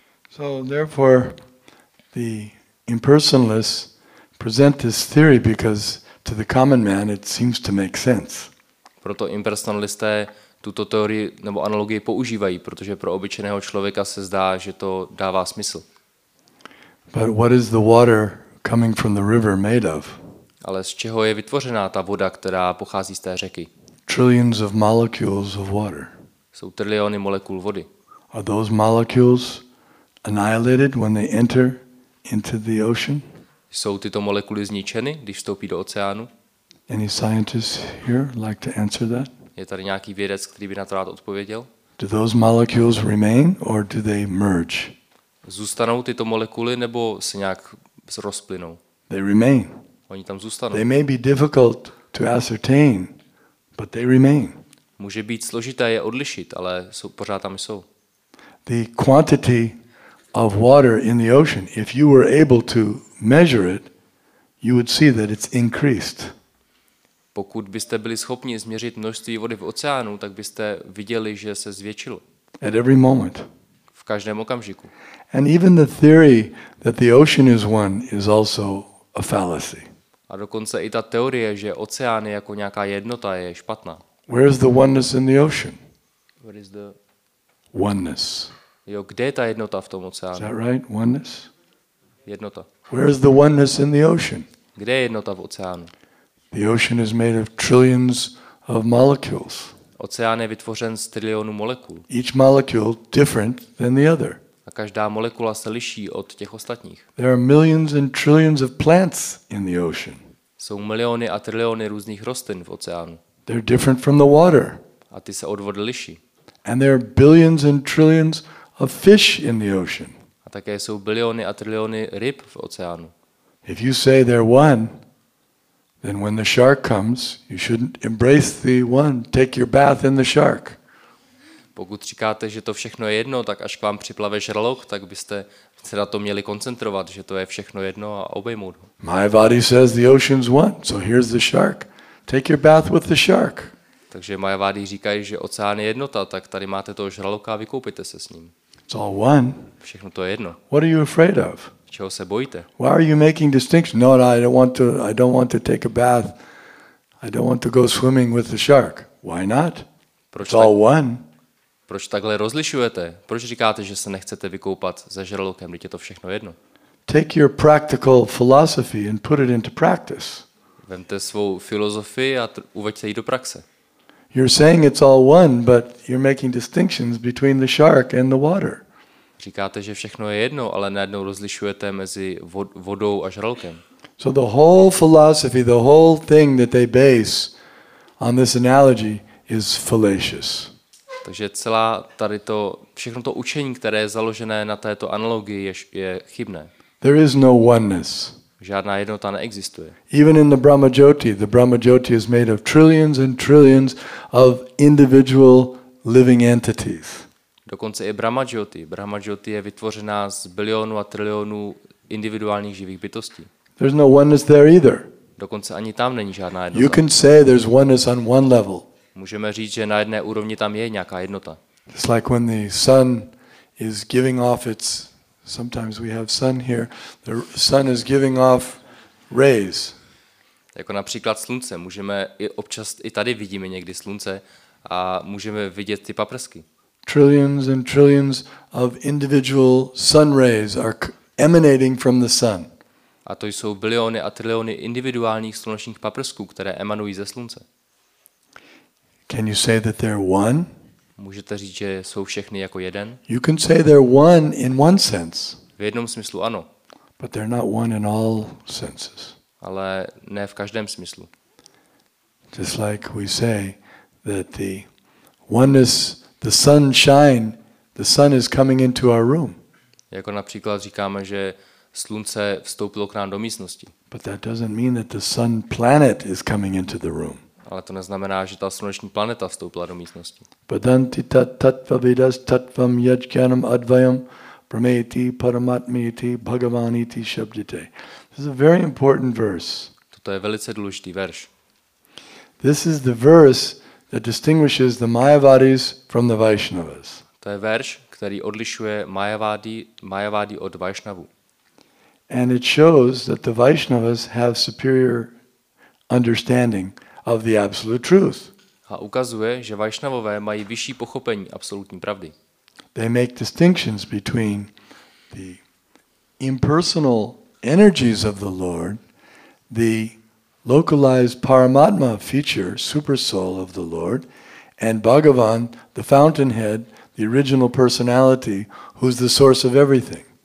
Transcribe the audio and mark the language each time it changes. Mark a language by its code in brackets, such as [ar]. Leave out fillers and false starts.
[en] So therefore the impersonalists present this theory because to the common man it seems to make sense. [cs] Proto impersonalisté tuto teorii nebo analogii používají, protože pro obyčejného člověka se zdá, že to dává smysl. [en] But what is the water coming from the river made of? [cs] Ale z čeho je vytvořená ta voda, která pochází z té řeky? [en] Trillions of molecules of water. [cs] Jsou triliony molekul vody. [en] Are those molecules annihilated when they enter into the ocean? [cs] Jsou tyto molekuly zničeny, když vstoupí do oceánu? [en] Any scientist here like to answer that? [cs] Je tady nějaký vědec, který by na to rád odpověděl? [en] Do those molecules remain or do they merge? [cs] Zůstanou tyto molekuly nebo se nějak rozplynou? [en] They remain. [cs] Oni tam zůstanou. [en] They may be difficult to ascertain, but they remain. [cs] Může být složité je odlišit, ale jsou pořád tam jsou. [en] The quantity of water in the ocean, if you were able to measure it, you would see that it's increased. [cs] Pokud byste byli schopni změřit množství vody v oceánu, tak byste viděli, že se zvětšilo. [en] At every moment. [cs] V každém okamžiku. [en] And even the theory that the ocean is one is also a fallacy. [cs] A dokonce i ta teorie, že oceán je jako nějaká jednota, je špatná. [en] Where is the oneness in the ocean? Where is the oneness? [cs] Jo, kde je ta jednota v tom oceánu? [en] Is that right? Oneness? [cs] Jednota. [en] Where is the oneness in the ocean? [cs] Kde je jednota v oceánu? [en] The ocean is made of trillions of molecules. [cs] Oceán je vytvořen z trilionů molekul. [en] Each molecule different than the other. [cs] A každá molekula se liší od těch ostatních. [en] There are millions and trillions of plants in the ocean. [cs] Jsou miliony a triliony různých rostlin v oceánu. [en] They're different from the water. [cs] A ty se od vody liší. [en] And there are billions and trillions of fish in the ocean. [cs] A také jsou biliony a triliony ryb v oceánu. [en] If you say they're one, then when the shark comes, you shouldn't embrace the one, take your bath in the shark. [cs] Pokud říkáte, že to všechno je jedno, tak až k vám připlave žraloch, tak byste se na to měli koncentrovat, že to je všechno jedno a obejmout ho. [en] Mayavadi says the ocean's one, so here's the shark. Take your bath with the shark. [cs] Takže Mayavadi říkají, že oceán je jednota, tak tady máte toho žraloka a vykoupíte se s ním. [en] It's all one. [cs] Všechno to je jedno. [en] What are you afraid of? [cs] Čeho se bojíte? [en] Why are you making distinctions? No, I don't want to take a bath. I don't want to go swimming with the shark. Why not? [cs] Proč [en] It's all one. [cs] Proč takhle rozlišujete? Proč říkáte, že se nechcete vykoupat se žralokem, když je to všechno jedno? [en] Take your practical philosophy and put it into practice. [cs] Vemte svou filozofii a uveďte ji do praxe. [en] You're saying it's all one, but you're making distinctions between the shark and the water. [cs] Říkáte, že všechno je jedno, ale najednou rozlišujete mezi vodou a žralokem. [en] So the whole philosophy, the whole thing that they base on this analogy is fallacious. [cs] Takže celá tady to všechno to učení, které je založené na této analogii, je chybné. [en] There is no oneness. [cs] Žádná jednota neexistuje. [en] Even in the Brahma Jyoti is made of trillions and trillions of individual living entities. [cs] Dokonce i Brahma Jyoti je vytvořená z bilionů a trilionů individuálních živých bytostí. [en] There's no oneness there either. [cs] Dokonce ani tam není žádná jednota. [en] You can say there's oneness on one level. [cs] Můžeme říct, že na jedné úrovni tam je nějaká jednota. [en] It's like when the sun is giving off its sometimes we have sun here. The sun is giving off rays. [cs] Jako například slunce, můžeme i občas i tady vidíme někdy slunce a můžeme vidět ty paprsky. [en] Trillions and trillions of individual sun rays are emanating from the sun. [cs] A to jsou biliony a triliony individuálních slunečních paprsků, které emanují ze slunce. [en] Can you say that they're one? [cs] Můžete říct, že jsou všechny jako jeden? [en] You can say they're one in one sense. [cs] V jednom smyslu ano. [en] But they're not one in all senses. [cs] Ale ne v každém smyslu. [en] Just like we say that the oneness, the sunshine, the sun is coming into our room. [cs] Jako například říkáme, že slunce vstoupilo k nám do místnosti. [en] But that doesn't mean that the sun planet is coming into the room. [cs] Ale to neznamená, že ta sluneční planeta vstoupila do místnosti. [sa] Vedanti tattva vidas tattvam yajnanam advayam prameti paramatmiti bhagavaniti shabdite. [en] This is a very important verse. [cs] Toto je velice důležitý verš. [en] This is the verse that distinguishes the Mayavadis from the Vaishnavas. [cs] To je verš, který odlišuje Mayavadi od Vaishnavů. [en] And it shows that the Vaishnavas have superior understanding of the absolute truth. [cs] A ukazuje, že Vaishnavové mají vyšší pochopení absolutní pravdy. [en] They make distinctions between the impersonal energies of the Lord, the localized Paramatma feature, super soul of the Lord, and Bhagavan, the fountainhead, the original personality, who's the source of everything.